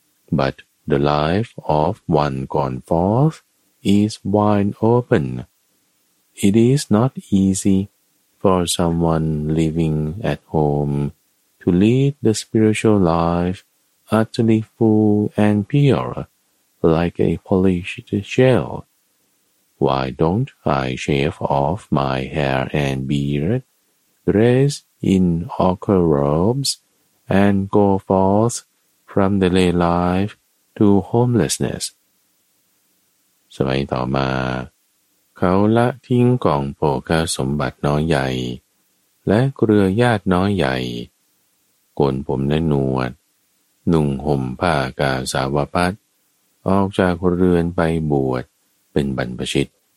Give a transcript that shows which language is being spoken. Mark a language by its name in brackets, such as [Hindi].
[English] But the life of one gone forth is wide open It is not easyFor someone living at home to lead the spiritual life utterly full and pure like a polished shell. Why don't I shave off my hair and beard, dress in ochre robes, and go forth from the lay life to homelessness? [Thai] สมัยต่อมาเขาละทิ้งกองโภคสมบัติน้อยใหญ่และเครือญาติน้อยใหญ่ โกนผมและหนวดนุ่งห่มผ้ากาสาวพัดออกจากเรือนไปบวชเป็นบรรพชิต